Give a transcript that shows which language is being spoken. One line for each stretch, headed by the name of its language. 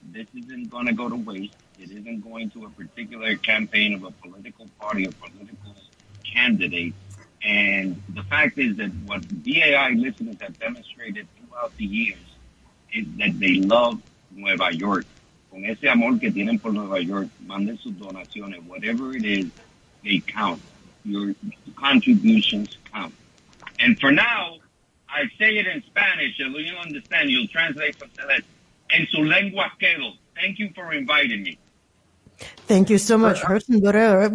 English: This isn't going to go to waste. It isn't going to a particular campaign of a political party or political candidate. And the fact is that what BAI listeners have demonstrated throughout the years is that they love Nueva York.
Spanish: Con ese amor que tienen por Nueva York, manden sus donaciones.
English: Whatever it is, they count. Your contributions count. And for now, I say it in Spanish, and you'll understand. You'll translate for Celeste.
Spanish: En su lengua quedo.
English: Thank you for inviting me. Thank you so much, Herson Borrero.